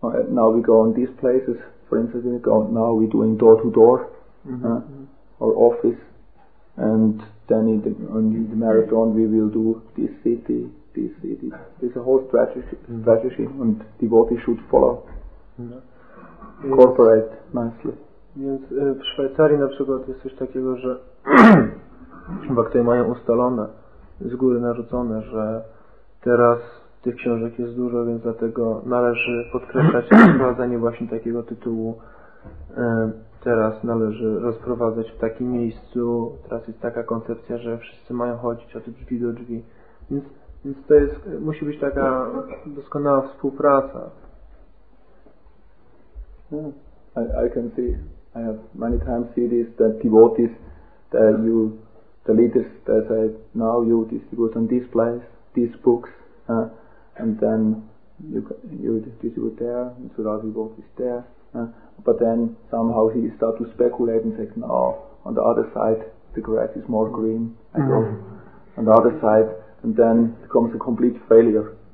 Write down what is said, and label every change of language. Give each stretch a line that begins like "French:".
English: now we go in these places, for instance, we're doing door-to-door, or office, and then in the marathon we will do this city, there's a whole strategy, and devotees should follow. Corporate, nicely.
Polish: Więc w Szwajcarii na przykład jest coś takiego, że baktowie mają ustalone, z góry narzucone, że teraz tych książek jest dużo, więc dlatego należy podkreślać wprowadzenie właśnie takiego tytułu. Teraz należy rozprowadzać w takim miejscu, teraz jest taka koncepcja, że wszyscy mają chodzić od drzwi do drzwi. Więc to jest, musi być taka doskonała współpraca.
English: I can see, I have many times seen this, that devotees, that you, the leaders, they say, now you distribute on this place, these books, and then you distribute there, and so that devotee is there, but then somehow he starts to speculate and say, no, on the other side, the grass is more green, I go on the other side, and then it comes a complete failure.